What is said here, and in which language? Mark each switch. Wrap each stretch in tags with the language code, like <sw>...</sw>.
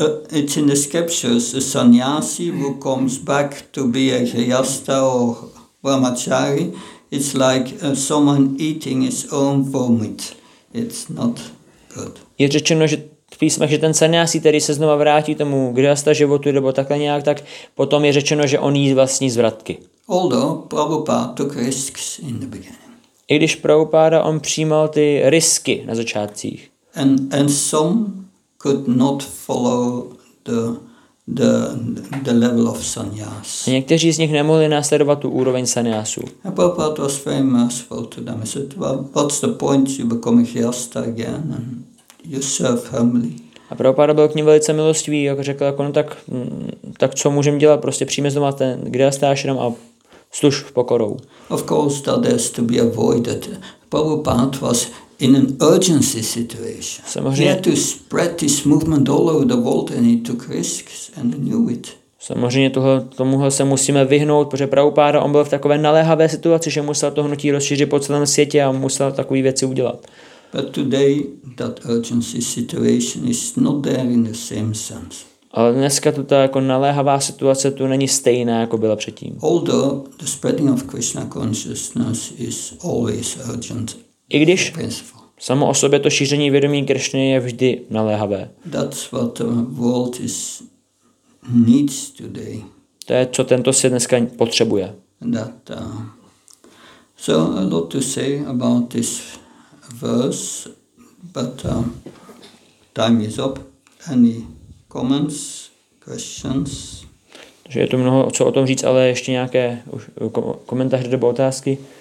<en>It's in the scriptures, a sannyasi who comes back to be a gryhastha or brahmachari, it's like someone eating his own vomit. It's not good.</en> <cs>Je řečeno, že v písmech, že ten sannyasi, který se znova vrátí tomu gryhastha životu nebo takhle nějak, tak potom je řečeno, že on jí vlastní zvratky.</cs> <en>Although Prabhupada took risks in the beginning.</en> <cs>I když Prabhupada on přijímal ty risky na začátcích.</cs> <en>And some could not follow the level of sannyas.</en> <cs>A někteří z nich nemohli následovat tu úroveň sannyasu.</cs> <en>And Prabhupada was very merciful to them. He said, well, what's the point? You become a gryhastha again and you serve humbly.</en> <cs>A Prabhupada byl k ní velice milostivý, jako řekl, jako, no tak co můžeme dělat, prostě přijme doma ten Grihastha ashram a služ v pokorou.</cs> <en>Of course that has to be avoided. Prabhupada was in an urgency situation.</en> <cs>Samozřejmě,</cs> <en>he had to spread this movement all over the world and he took risks and knew it.</en> <cs>Samozřejmě tomuhle se musíme vyhnout, protože Prabhupada, on byl v takové naléhavé situaci, že musel to hnutí rozšířit po celém světě a musel takové věci udělat.</cs> <en>But today that urgency situation is not there in the same sense.</en> <cs>Ale dneska tu ta jako naléhavá situace tu není stejná, jako byla předtím.</cs> <en>Although the spreading of Krishna consciousness is always urgent.</en> <cs>I když samo o sobě to šíření vědomí Krishny je vždy naléhavé.</cs> <en>That's what the world is needs today.</en> <cs>To je, co tento svět dneska potřebuje.</cs> <en>That, so a lot to say about this verse, but time is up. Any comments, questions?</en> <cs>Takže je tu mnoho co o tom říct, ale ještě nějaké komentáře nebo otázky?</cs>